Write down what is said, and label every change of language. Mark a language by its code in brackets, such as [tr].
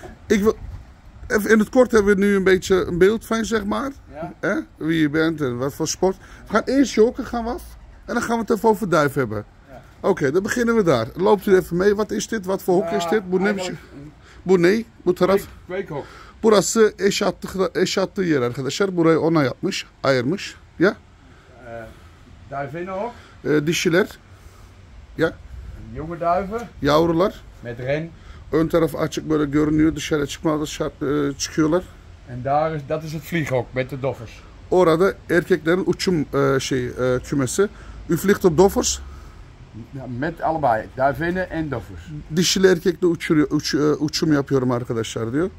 [nl] In het kort hebben we nu een beetje een beeld van, zeg maar. Ja. Wie je bent en wat voor sport. We gaan eerst joken, gaan we af. En dan gaan we het even over duif hebben. Ja. Oké, dan beginnen we daar. Loopt u even mee. Wat is dit? Wat voor hok is dit? [tr] Bu taraf? [nl] Kweekhok. [tr] Burası eş attığı yer arkadaşlar. Burayı ona yapmış, ayırmış. Ya? [nl] Duiven hok. [tr] Dişiler. Ya? [nl] Jonge duiven. [tr] Yavrular. [nl] Met ren. [tr] Ön taraf açık böyle görünüyor. Dışarı çıkmadan çıkıyorlar. [nl] En daar is dat is het vlieghok met de doffers. [tr] Orada erkeklerin uçum kümesi. [nl] U vliegt op doffers? Ja, met allebei. Duivenen en doffers. [tr] Dişili erkekle uçum yapıyorum arkadaşlar diyor.